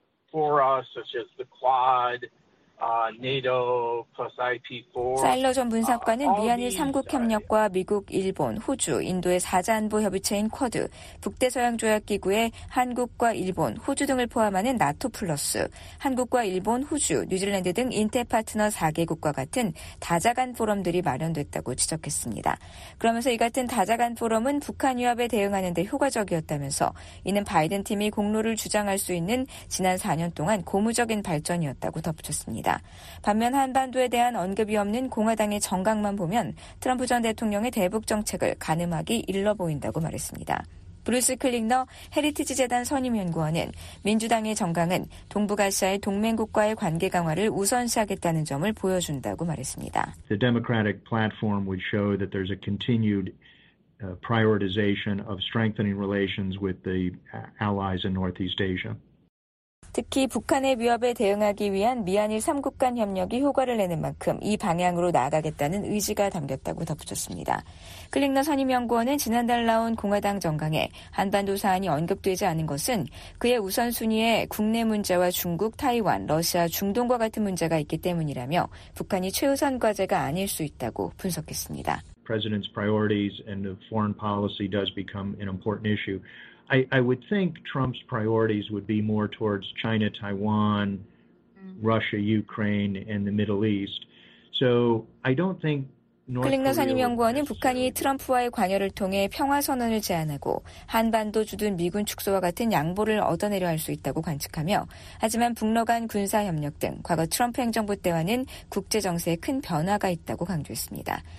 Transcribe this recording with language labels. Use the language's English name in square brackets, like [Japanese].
[English] fora such as the Quad, NATO plus IP4. [Korean] 사일러 전 분석관은 미한일 3국 협력과 미국, 일본, 호주, 인도의 4자 안보 협의체인 쿼드, 북대서양 조약 기구의 한국과 일본, 호주 등을 포함하는 나토 플러스, 한국과 일본, 호주, 뉴질랜드 등 인테 파트너 4개국과 같은 다자간 포럼들이 마련됐다고 지적했습니다. 그러면서 이 같은 다자간 포럼은 북한 위협에 대응하는 데 효과적이었다면서 이는 바이든 팀이 공로를 주장할 수 있는 지난 4년 동안 고무적인 발전이었다고 덧붙였습니다. 반면 한반도에 대한 언급이 없는 공화당의 정각만 보면 트럼프 전 대통령의 대북 정책을 가늠하기 일러 보인다고 말했습니다. 브루스 클링너 헤리티지 재단 선임연구원은 민주당의 정강은 동북아시아의 동맹국과의 관계 강화를 우선시하겠다는 점을 보여준다고 말했습니다. [English] The Democratic platform would show that there's a continued prioritization of strengthening relations with the allies in Northeast Asia. [Korean] 특히 북한의 위협에 대응하기 위한 미한일 3국 간 협력이 효과를 내는 만큼 이 방향으로 나아가겠다는 의지가 담겼다고 덧붙였습니다. 클링너 선임연구원은 지난달 나온 공화당 정강에 한반도 사안이 언급되지 않은 것은 그의 우선순위에 국내 문제와 중국, 타이완, 러시아, 중동과 같은 문제가 있기 때문이라며 북한이 최우선 과제가 아닐 수 있다고 분석했습니다. [English] President's priorities and foreign policy does become an important issue. I would think Trump's priorities would be more towards China, Taiwan, Russia, Ukraine, and the Middle East. So I don't think [Korean] 클링너 선임연구원은 북한이 트럼프와의 관여를 통해 평화선언을 제안하고 한반도 주둔 미군 축소와 같은 양보를 얻어내려 할 수 있다고 관측하며 하지만 북러 간 군사협력 등 과거 트럼프 행정부 때와는 국제정세에 큰 변화가 있다고 강조했습니다.